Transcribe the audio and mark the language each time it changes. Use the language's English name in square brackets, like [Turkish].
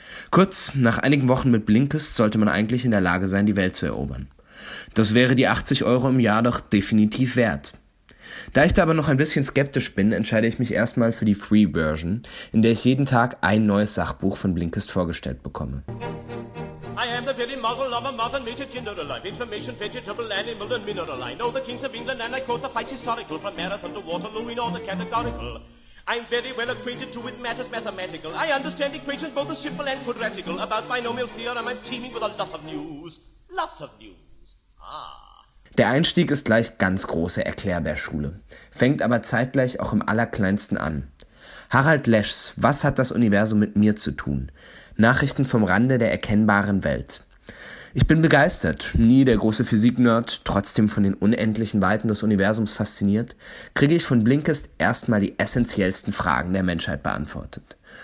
[German] Kurz, nach einigen Wochen mit Blinkist sollte man eigentlich in der Lage sein, die Welt zu erobern. Das wäre die 80 Euro im Jahr doch definitiv wert. Da ich da aber noch ein bisschen skeptisch bin, entscheide ich mich erstmal für die Free-Version, in der ich jeden Tag ein neues Sachbuch von Blinkist vorgestellt bekomme. [English] I am the very model of a modern major gender alive. Information, vegetable, animal and mineral. I know the kings of England and I quote the fights historical from Marathon to Waterloo in order categorical. I'm very well acquainted too with matters mathematical. I understand equations both as simple and quadratical. About binomial theorem I'm teeming with a lot of news. Lots of news. Ah. [German] Der Einstieg ist gleich ganz große Erklärbär-Schule, fängt aber zeitgleich auch im Allerkleinsten an. Harald Leschs »Was hat das Universum mit mir zu tun?« Nachrichten vom Rande der erkennbaren Welt. Ich bin begeistert, nie der große Physik-Nerd, trotzdem von den unendlichen Weiten des Universums fasziniert, kriege ich von Blinkist erstmal die essentiellsten Fragen der Menschheit beantwortet.